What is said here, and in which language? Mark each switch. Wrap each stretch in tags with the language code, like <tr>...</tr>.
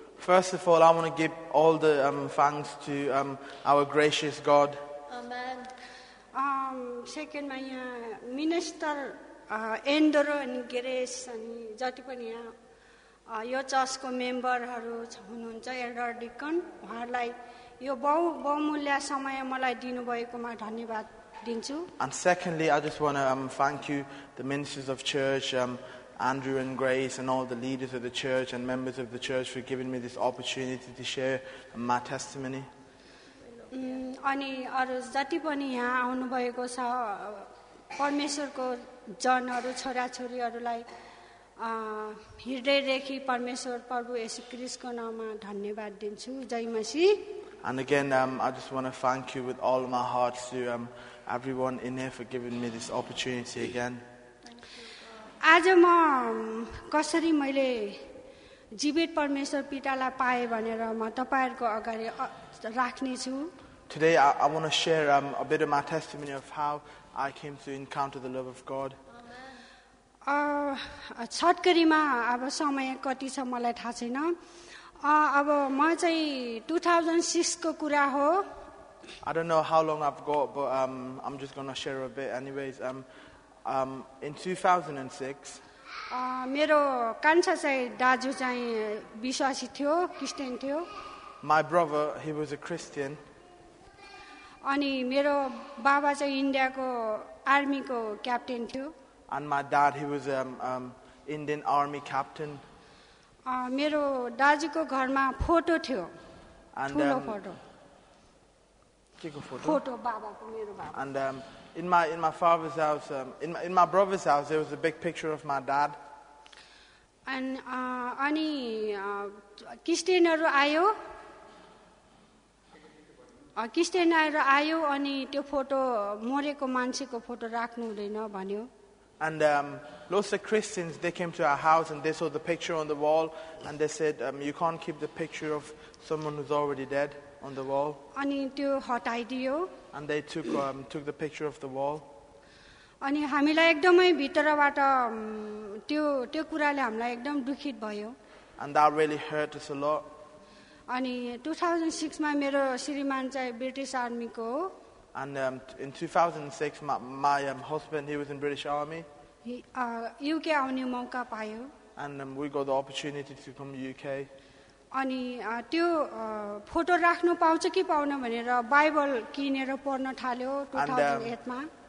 <en>First of all, I want to give all the thanks to our gracious God. Amen. Second my minister Endoro and Gires and</en> <ne>जति पनि यहाँ यो चर्चको मेम्बरहरू हुनुहुन्छ Elder deacon उहाँहरूलाई यो बहुमूल्य समय मलाई दिनुभएकोमा धन्यवाद दिन्छु.</ne> <en>And secondly, I just want to thank you, the ministers of church, Andrew and Grace, and all the leaders of the church and members of the church for giving me this opportunity to share my testimony.</en> <ne>अनि अरू जति पनि यहाँ आउनुभएको छ परमेश्वरको जनहरू छोराछोरीहरूलाई हृदयदेखि परमेश्वर प्रभु येशू ख्रीष्टको नाममा धन्यवाद दिन्छु. जय मसी.</ne> <en>And again, I just want to thank you with all my heart to everyone in here for giving me this opportunity again.</en> <ne>आज म कसरी मैले जीवित परमेश्वर पितालाई पाए भनेर म तपाईहरुको अगाडि राख्नेछु.</ne> <en>Today I want to share a bit of my testimony of how I came to encounter the love of God.</en> <ne>छटकरीमा अब समय कति छ मलाई थाहा छैन. अब म चाहिँ 2006 को कुरा हो.</ne> <en>I don't know how long I've got, but I'm just going to share a bit. Anyways, in 2006,</en> <ne>मेरो कान्छा चाहिँ दाजु चाहिँ विश्वासी थियो, क्रिस्चियन थियो.</ne> <en>My brother, he was a Christian.</en> <ne>अनि मेरो बाबा चाहिँ इन्डियाको आर्मीको क्याप्टेन थियो.</ne> <en>And my dad, he was Indian army captain.</en> <ne>मेरो दाजुको घरमा फोटो थियो.</ne> <en>And</en> <ne>ठुलो फोटो. केको फोटो? फोटो बाबाको, मेरो बाबा.</ne> <en>And in my father's house, in my brother's house, there was a big picture of my dad.</en> <ne>And अनि क्रिस्चियनहरू आयो. क्रिस्चियनहरू आयो अनि त्यो फोटो मरेको मान्छेको फोटो राख्नु हुँदैन भन्यो.</ne> <en>And lots of Christians, they came to our house and they saw the picture on the wall and they said, you can't keep the picture of someone who's already dead on the wall.</en> <ne>अनि त्यो हटाइदियो.</ne> <en>And they took the picture of the wall.</en> <ne>अनि हामीलाई एकदमै भित्रबाट त्यो कुराले हामीलाई एकदम दुखित भयो.</ne> <en>And that really hurt us a lot.</en> <ne>अनि 2006 मा मेरो श्रीमान चाहिँ ब्रिटिश आर्मीको हो.</ne> <en>And in 2006, my husband, he was in British Army.</en> <ne>He UK आउने मौका पायो.</ne> <en>And we got the opportunity to come to UK.</en> <ne>अनि त्यो फोटो राख्नु पाउँछ कि पाउन भनेर बाइबल किनेर पढ्न थाल्यो 2008 मा.</ne>